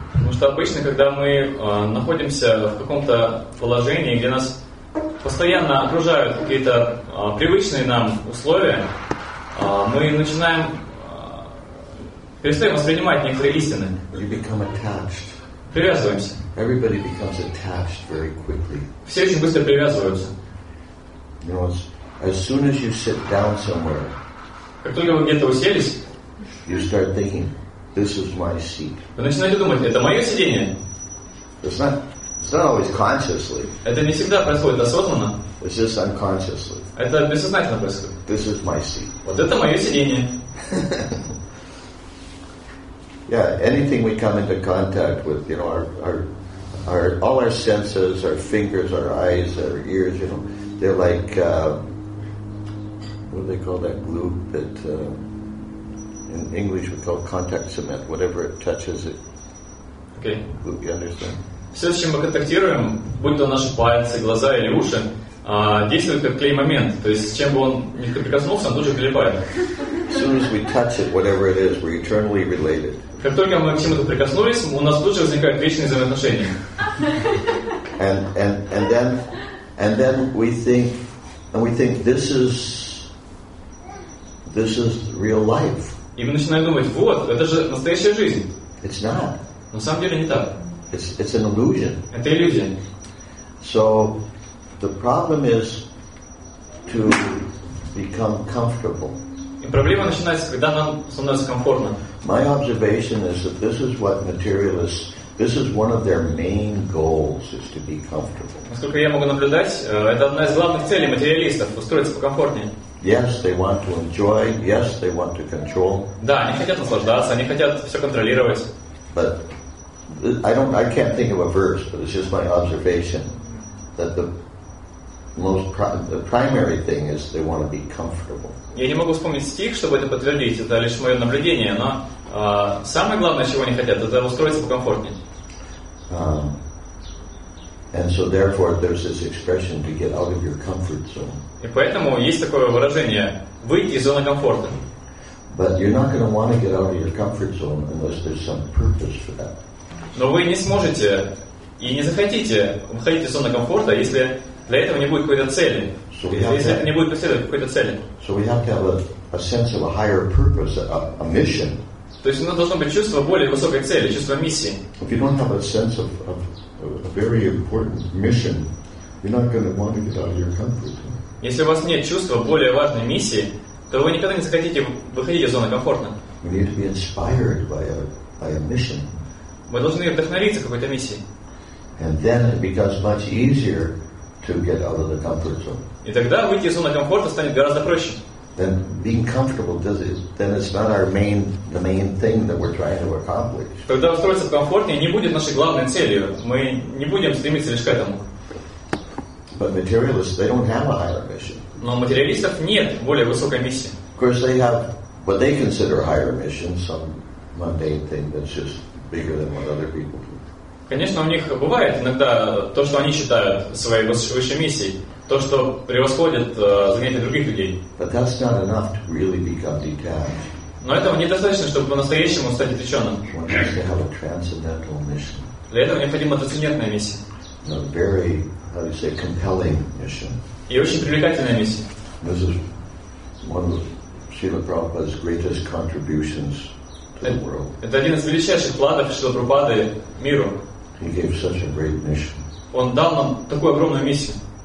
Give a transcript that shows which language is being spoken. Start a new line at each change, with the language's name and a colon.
Russian: Потому что обычно, когда мы находимся в каком-то положении, где нас постоянно окружают какие-то привычные нам условия, мы начинаем перестаем воспринимать некоторые истины.
English: You become attached.
Russian: Привязываемся.
English: Everybody becomes attached very quickly.
Russian: Все очень быстро привязываются.
English: You know, as soon as you sit down somewhere,
Russian: как только вы где-то уселись,
English: you start thinking, this is my seat.
Russian: Вы начинаете думать, это мое сиденье.
English: It's not always consciously.
Russian: Это не всегда происходит осознанно.
English: It's just unconsciously.
Russian: Это бессознательно происходит.
English: This is my seat.
Russian: Вот это мое сиденье.
English: Yeah, anything we come into contact with, you know, all our senses, our fingers, our eyes, our ears, you know, they're like what do they call that glue that in English we call contact cement. Whatever it touches, it. Okay. Glue, you understand?
Russian: Все, с чем мы контактируем, будь то наши пальцы, глаза или уши, действует как клей-момент. То есть, с чем бы он ни прикоснулся, он тут же прилипает.
English: As soon as we touch it, whatever it is, we're eternally related.
Russian: Как только мы к чему-то прикоснулись, у нас тут же возникают вечные взаимоотношения.
English: And then we think this is real life.
Russian: И мы начинаем думать, вот, это же настоящая жизнь.
English: It's not.
Russian: На самом деле не так.
English: It's an illusion.
Russian: Это иллюзия.
English: So the problem is to become comfortable.
Russian: И проблема начинается, когда нам становится комфортно.
English: My observation is that this is what materialists, this is one of their main goals, is to be comfortable.
Russian: Насколько я могу наблюдать, это одна из главных целей материалистов, устроиться покомфортнее.
English: Yes, they want to enjoy. Yes, they want to control.
Russian: Да, они хотят наслаждаться, они хотят все контролировать.
English: But I can't think of a verse, but it's just my observation that the primary thing is they want to be comfortable.
Russian: Я не могу вспомнить стих, чтобы это подтвердить. Это лишь мое наблюдение, но самое главное, чего они хотят, это устроиться покомфортнее.
English: And so therefore there's this expression to get out of your comfort zone.
Russian: И поэтому есть такое выражение выйти из зоны комфорта.
English: But you're not going to want to get out of your comfort zone unless there's some purpose for that.
Russian: Но вы не сможете и не захотите выходить из зоны комфорта, если для этого не будет какой-то цели.
English: So we have
Russian: если это не будет преследовать какой-то цели.
English: So we have to have a sense of a higher purpose, a mission.
Russian: То есть у нас должно быть чувство более высокой цели, чувство миссии.
English: If you don't have a sense of a very important mission, you're not going to want to get out of your comfort zone.
Russian: Если у вас нет чувства более важной миссии, то вы никогда не захотите выходить из зоны комфорта.
English: We need to be inspired by a mission.
Russian: Мы должны вдохновиться какой-то миссией.
English: And then it becomes much easier to get out of the comfort zone.
Russian: И тогда выйти из зоны комфорта станет гораздо проще.
English: Then being comfortable then it's not the main thing that we're trying to accomplish.
Russian: Когда устроиться комфортнее, не будет нашей главной целью. Мы не будем стремиться лишь к этому.
English: But materialists, they don't have a higher mission.
Russian: Но у материалистов нет более высокой миссии.
English: Of course, they have what they consider a higher mission, some mundane thing that's just bigger than what other people do.
Russian: Конечно, у них бывает иногда то, что они считают своей высшей миссией, то, что превосходит занятия других людей.
English: But that's not enough to really become detached.
Russian: Но этого недостаточно, чтобы по-настоящему стать отвлеченным.
English: One has to have a transcendental mission.
Russian: Для этого необходима трансцендентная миссия.
English: A very, how do you say, compelling mission.
Russian: И очень привлекательная миссия.
English: This is one of Srila Prabhupada's greatest contributions.
Russian: Это один из величайших вкладов Шрилы Прабхупады миру.
English: He gave such a great mission.
Russian: Он дал нам такую огромную миссию.